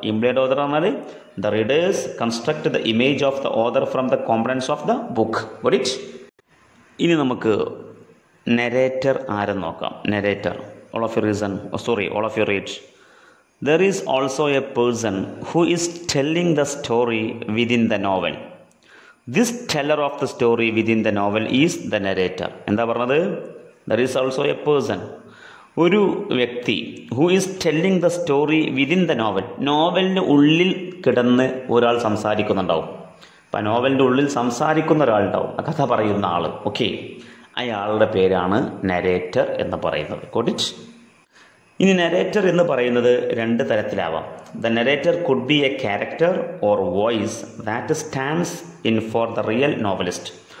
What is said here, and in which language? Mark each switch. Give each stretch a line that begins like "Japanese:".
English: Implied author എന്നാൽ the readers construct the image of the author from the components of the book. Got it?
Malayalam: ഇനി നമുക്ക് narrator ആരെന്ന് നോക്കാം. Narrator
English: All of you reason sorry all of you read. There is also a person who is telling the story within the novel. This teller of the story within the novel is the narrator.
Malayalam: എന്താ പറഞ്ഞത്?
English: There is also a person.
Malayalam: ഒരു വ്യക്തി
English: who is telling the story within the novel.
Malayalam: നോവലിന് ഉള്ളിൽ കിടന്ന് ഒരാൾ സംസാരിക്കുന്നുണ്ടാവും. അപ്പം നോവലിൻ്റെ ഉള്ളിൽ സംസാരിക്കുന്ന ഒരാളുണ്ടാവും, ആ കഥ പറയുന്ന ആൾ. ഓക്കെ, അയാളുടെ പേരാണ് നരേറ്റർ എന്ന് പറയുന്നത്. കോട്ടിച്ച്. ഇനി നരേറ്റർ എന്ന് പറയുന്നത് രണ്ട് തരത്തിലാവാം.
English: The narrator could be a character or voice that stands in for the real novelist.